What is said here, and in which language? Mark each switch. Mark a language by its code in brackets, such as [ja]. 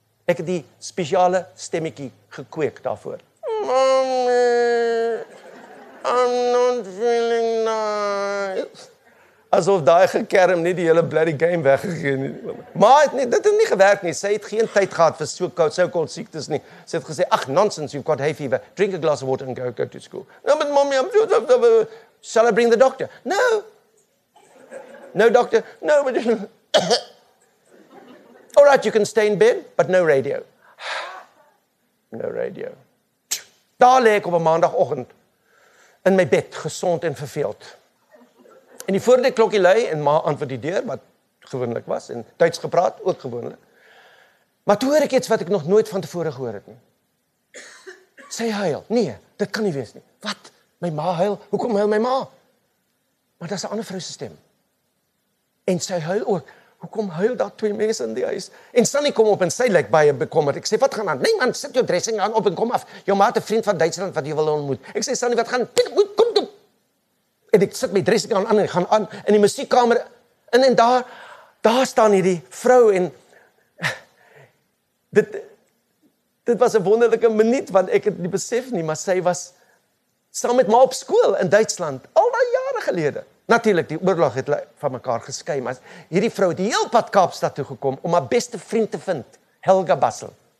[af] Ek het die speciale stemmekie gekweek daarvoor. [en] Mommy, I'm not feeling nice. [af] Asof die gekerm nie die hele bloody game weggegeen nie. Maar dit het nie gewerk nie. Sy het geen tyd gehad vir so-called siektes nie. Sy het gesê, [en] ach, nonsense, you've got hay fever. Drink a glass of water and go to school. No, but mommy, I'm so... Shall I bring the doctor? No. No, doctor. No, but... All right, you can stay in bed, but no radio. No radio. [af] Daar lê ek op 'n maandagoggend in my bed, gesond en verveeld. En die voordeur klokkie lui en ma antwoord die deur, wat gewoonlik was, en Duits gepraat, ook gewoonlik. Maar toe hoor ek iets wat ek nog nooit van tevore gehoor het nie. Sy huil. Nee, dit kan nie wees nie. Wat? My ma huil? Hoekom huil my ma? Maar dit is 'n ander vrou se stem. En sy huil ook. Hoekom huil daar twee mense in die huis? En Sunny kom op en sy lyk baie bekommerd. Ek sê, wat gaan aan? Nee man, sit jou dressing aan op en kom af. Jou ma het 'n vriend van Duitsland wat jy wil ontmoet. Ek sê, Sunny, wat gaan? Kom toe! En ek sit my dressing aan en gaan aan in die musiekkamer. En daar staan hierdie vrou en... Dit was 'n wonderlike minuut, want ek het nie besef nie, maar sy was saam met ma op skool in Duitsland, al daai jare gelede. Natuurlijk, die oorlog het van mekaar geskei, maar hierdie vrou het die heel pad Kaapstad toe gekom om haar beste vriend te vind, Helga Basel.